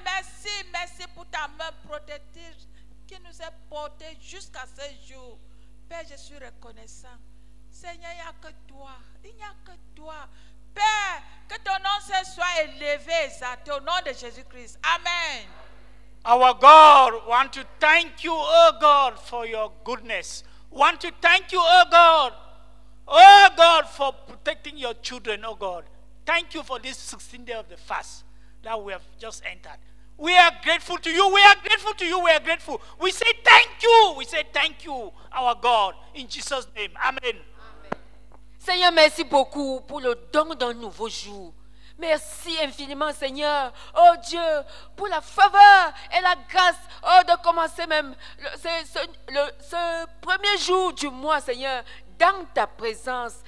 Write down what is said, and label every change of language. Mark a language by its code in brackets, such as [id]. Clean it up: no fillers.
[fr] Merci, merci pour ta main protectrice qui nous a portés jusqu'à ce jour. Père, je suis reconnaissant. Seigneur, il n'y a que toi. Il n'y a que toi. Père, que ton nom se soit élevé, exalté au nom de Jésus-Christ. Amen. [en] Our God, want to thank you, O God, for your goodness. Want to thank you, O God. O God, for protecting your children, O God. Thank you for this 16th day of the fast that we have just entered. We are grateful to you. We are grateful to you. We are grateful. We say thank you. We say thank you, our God, in Jesus' name. Amen. Amen. [fr] Seigneur, merci beaucoup pour le don d'un nouveau jour. Merci infiniment, Seigneur. Oh Dieu, pour la faveur et la grâce de commencer même ce premier jour du mois, Seigneur, dans ta présence.